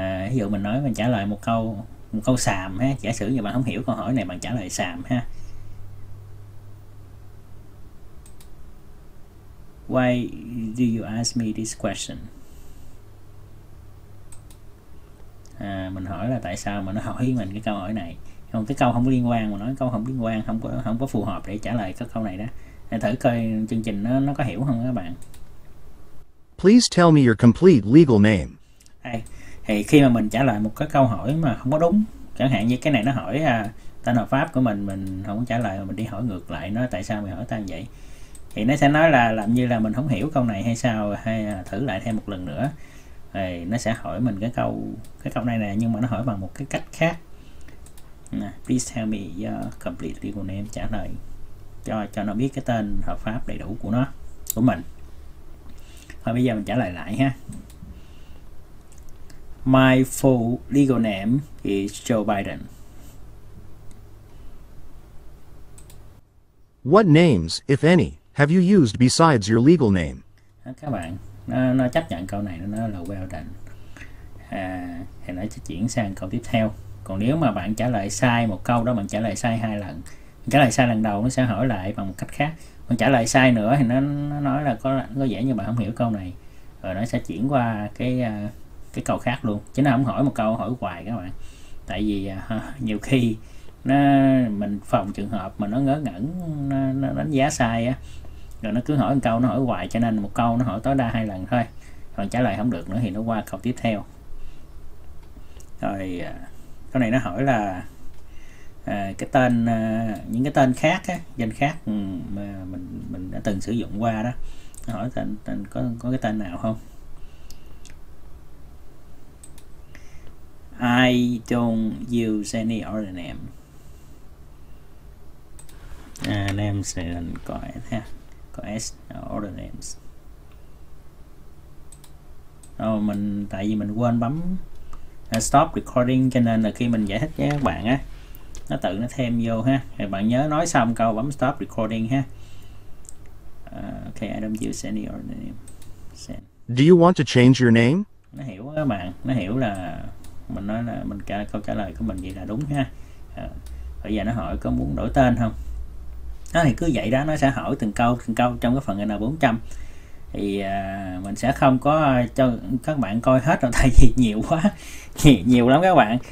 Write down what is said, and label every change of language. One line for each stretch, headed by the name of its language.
Vietnamese: Ví dụ mình nói mình trả lời một câu xàm ha, giả sử như bạn không hiểu câu hỏi này bạn trả lời xàm ha.
English: Why do you ask me this question?
Vietnamese: Mình hỏi là tại sao mà nó hỏi mình cái câu hỏi này. Không, cái câu không có liên quan, mà nói câu không liên quan, không có phù hợp để trả lời cái câu này đó. Hãy thử coi chương trình nó có hiểu không các bạn.
English: Please tell me your complete legal name.
Vietnamese: Thì khi mà mình trả lời một cái câu hỏi mà không có đúng, chẳng hạn như cái này nó hỏi tên hợp pháp của mình không có trả lời, mình đi hỏi ngược lại nó tại sao mày hỏi tao vậy, thì nó sẽ nói là làm như là mình không hiểu câu này hay sao, hay là thử lại thêm một lần nữa, thì nó sẽ hỏi mình cái câu này nè, nhưng mà nó hỏi bằng một cái cách khác.
English: Please tell me your complete legal name,
Vietnamese: trả lời cho nó biết cái tên hợp pháp đầy đủ của nó, của mình. Thôi bây giờ mình trả lời lại ha.
English: My full legal name is Joe Biden. What names, if any, have you used besides your legal name?
Vietnamese: Các bạn, nó chấp nhận câu này, nó là
English: well done.
Vietnamese: Thì nó sẽ chuyển sang câu tiếp theo. Còn nếu mà bạn trả lời sai một câu đó, bạn trả lời sai hai lần. Trả lời sai lần đầu, nó sẽ hỏi lại bằng một cách khác. Còn trả lời sai nữa, thì nó nói là có vẻ như bạn không hiểu câu này. Rồi nó sẽ chuyển qua cái câu khác luôn. Chứ nó không hỏi một câu, hỏi hoài các bạn. Tại vì nhiều khi nó mình phòng trường hợp mà nó ngớ ngẩn, nó đánh giá sai á, rồi nó cứ hỏi một câu nó hỏi hoài, cho nên một câu nó hỏi tối đa hai lần thôi, còn trả lời không được nữa thì nó qua câu tiếp theo. Rồi câu này nó hỏi là cái tên, những cái tên khác á, danh khác mà mình đã từng sử dụng qua đó, nó hỏi tên, tên có cái tên nào không.
English: I don't use any other name.
Vietnamese: Names này có S, có S,
English: other names.
Vietnamese: Oh, mình tại vì mình quên bấm stop recording, cho nên là khi mình giải thích với các bạn á, nó tự nó thêm vô ha. Thì bạn nhớ nói xong câu bấm stop recording ha.
English: Okay, I don't use any other name. Send. Do you want to change your name?
Vietnamese: Nó hiểu đó các bạn, nó hiểu là mình nói là mình cả câu trả lời của mình vậy là đúng ha. Bây giờ nó hỏi có muốn đổi tên không, nó thì cứ vậy đó, nó sẽ hỏi từng câu trong cái phần N400. Thì mình sẽ không có cho các bạn coi hết rồi, tại vì nhiều quá, nhiều lắm các bạn.